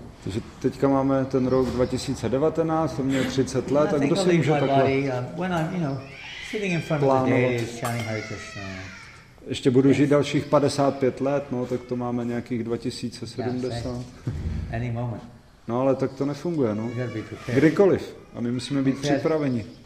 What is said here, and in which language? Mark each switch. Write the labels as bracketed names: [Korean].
[Czech] Takže teďka máme ten rok 2019, to mě 30 let, a kdo si může takhle plánovat? [English] When I'm, you know, sitting in front of the deities, chanting Hare Krishna. [Czech] Ještě budu žít dalších 55 let, no, tak to máme nějakých 2070. [English] Any moment. [Czech] No, ale tak to nefunguje, no. Kdykoliv. A my musíme být připraveni.